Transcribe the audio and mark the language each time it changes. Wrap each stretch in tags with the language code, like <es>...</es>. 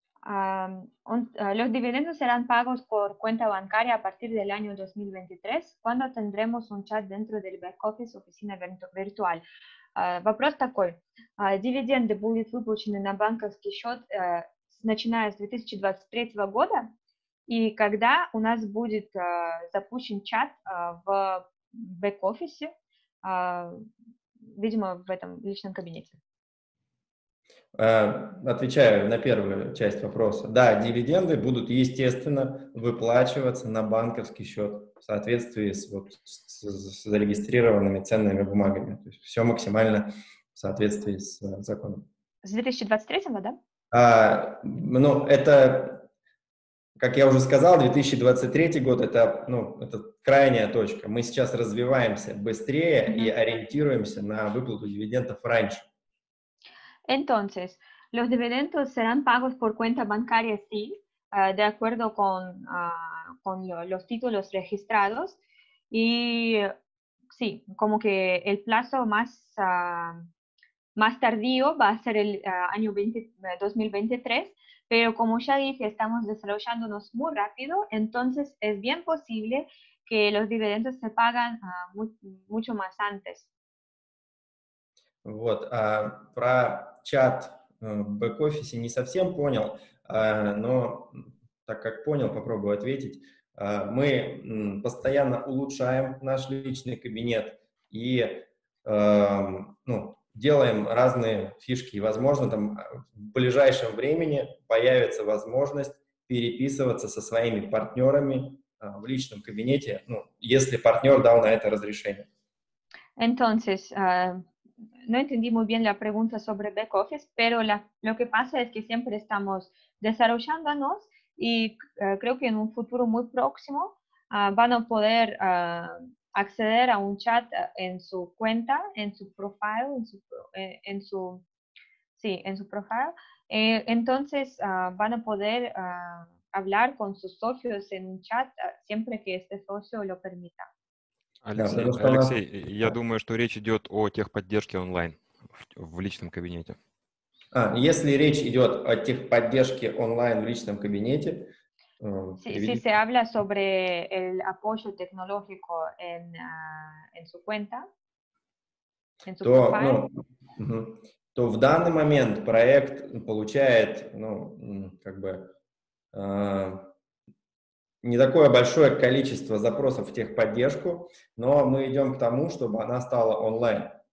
<es>Los dividendos serán pagos por cuenta bancaria a partir del año 2023. ¿Cuándo tendremos un chat dentro del back office, oficina virtual?</es> <ru>Вопрос такой. Дивиденды будут выплачены на банковский счет начиная с 2023 года, и когда у нас будет запущен чат в бэк-офисе, видимо, в этом личном кабинете. Отвечаю на первую часть вопроса. Да, дивиденды будут, естественно, выплачиваться на банковский счет в соответствии с, вот, с зарегистрированными ценными бумагами. То есть все максимально в соответствии с законом. С 2023, да? Ну, это, как я уже сказал, 2023 год, это, ну, это крайняя точка. Мы сейчас развиваемся быстрее mm-hmm. и ориентируемся на выплату дивидендов раньше.</ru> <es>Entonces, los dividendos serán pagos por cuenta bancaria, sí, de acuerdo con los títulos registrados. Y sí, como que el plazo más tardío va a ser el año 2023, pero como ya dije, estamos desarrollándonos muy rápido, entonces es bien posible que los dividendos se pagan mucho más antes.</es> <ru>Вот, про чат в бэк-офисе не совсем понял, но так как понял, попробую ответить. Мы постоянно улучшаем наш личный кабинет и ну, делаем разные фишки. Возможно, там в ближайшем времени появится возможность переписываться со своими партнерами в личном кабинете, ну, если партнер дал на это разрешение.</ru> <es>Entonces, no entendí muy bien la pregunta sobre back office, pero lo que pasa es que siempre estamos desarrollándonos y creo que en un futuro muy próximo van a poder acceder a un chat en su cuenta, en su profile, en su profile. Entonces van a poder hablar con sus socios en un chat siempre que este socio lo permita.</es> <ru>Алексей, я думаю, что речь идет о техподдержке онлайн в личном кабинете. Если речь идет о техподдержке онлайн в личном кабинете...</ru> <es>Si se habla sobre el apoyo tecnológico en su cuenta, en su profile...</es> <ru>Ну, то в данный момент проект получает, ну, как бы... не такое большое количество запросов в техподдержку, но мы идем к тому, чтобы она стала онлайн.</ru>